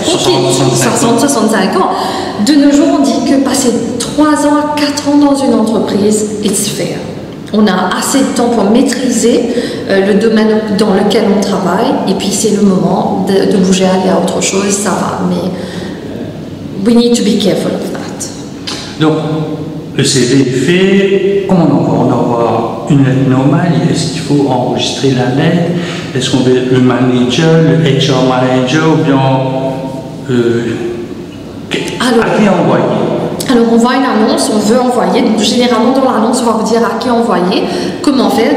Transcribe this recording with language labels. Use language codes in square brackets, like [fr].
[en] Okay. 60-65 [fr] ans. De nos jours, on dit que passer 3 ans à 4 ans dans une entreprise, [en] it's fair. [fr] On a assez de temps pour maîtriser le domaine dans lequel on travaille et puis c'est le moment de bouger, aller à autre chose, ça va. Mais [en] we need to be careful of that. [fr] Donc, le CV est fait, comment on envoie une lettre normale? Est-ce qu'il faut enregistrer la lettre? Est-ce qu'on veut le manager, le HR manager ou bien alors, à qui envoyer? Alors, on voit une annonce, on veut envoyer. Donc, généralement, dans l'annonce, on va vous dire à qui envoyer, comment faire.